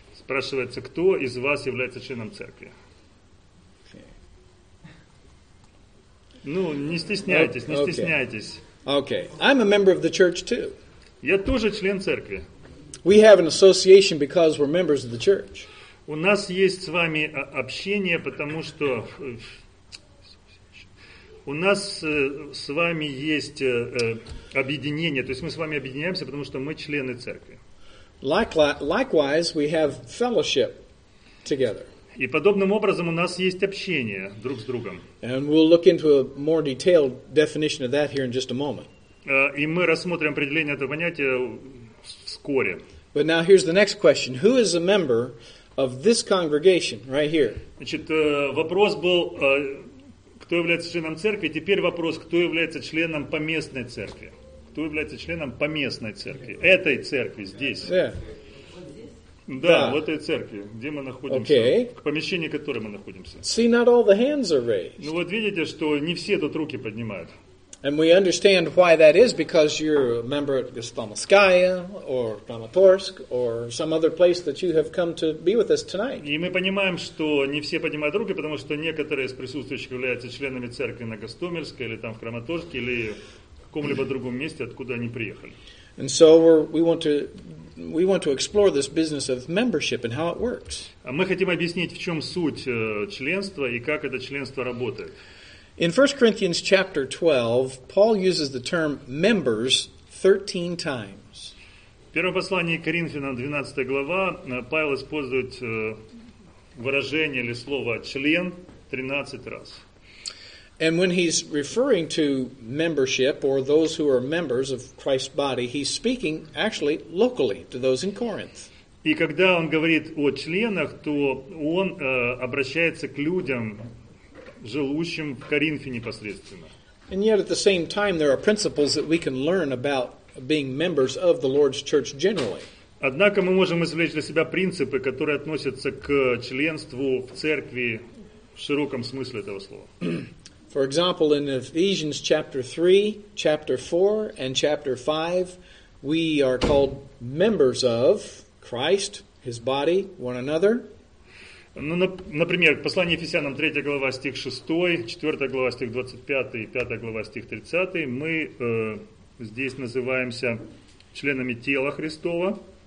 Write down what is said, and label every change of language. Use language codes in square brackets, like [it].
[ru] Спрашивается, кто из вас является членом церкви? Ну, не стесняйтесь, не стесняйтесь. [en] Okay. I'm a member of the church too. [ru] Я тоже член церкви. [en] We have an association because we're members of the church. [ru] У нас есть с вами общение, потому что у нас с вами есть объединение, то есть мы с вами объединяемся, потому что мы члены церкви. [en] Likewise, we have fellowship together. [ru] И подобным образом у нас есть общение друг с другом. [en] And we'll look into a more detailed definition of that here in just a moment. [ru] И мы рассмотрим определение этого понятия вскоре. [en] But now here's the next question. Who is a member of this congregation right here? [ru] Значит, вопрос был, кто является членом церкви. Теперь вопрос, кто является членом поместной церкви? Кто является членом поместной церкви? Этой церкви здесь. [en] Yeah. [ru] Да, в этой церкви, где мы находимся, [en] okay. [ru] В помещении, в котором мы находимся. [en] See, not all the hands are raised. [ru] Ну вот видите, что не все тут руки поднимают. [en] And we understand why that is, because you're a member at Gostomelskaya, or Kramatorsk, or some other place that you have come to be with us tonight. [ru] И мы понимаем, что не все поднимают руки, потому что некоторые из присутствующих являются членами церкви на Гостомельской, или там в Краматорске, или в каком-либо другом месте, откуда они приехали. [en] And so we want to explore this business of membership and how it works. [ru] Мы хотим объяснить, в чем суть членства и как это членство работает. [en] In 1 Corinthians chapter 12, Paul uses the term members 13 times. [ru] В первом послании к Коринфянам 12 глава Павел использует выражение или слово член 13 раз. [en] And when he's referring to membership or those who are members of Christ's body, he's speaking actually locally to those in Corinth. [ru] И когда он говорит о членах, то он обращается к людям, живущим в Коринфе непосредственно. [en] And yet at the same time there are principles that we can learn about being members of the Lord's church generally. [ru] Однако мы можем извлечь для себя принципы, которые относятся к членству в церкви в широком смысле этого слова. [en] For example, in Ephesians chapter 3, chapter 4, and chapter 5, we are called members of Christ, his body, one another. [ru] Ну, например, послание Ефесянам 3 глава, стих 6, 4 глава, стих 25, 5 глава, стих 30, мы здесь называемся членами тела Христова.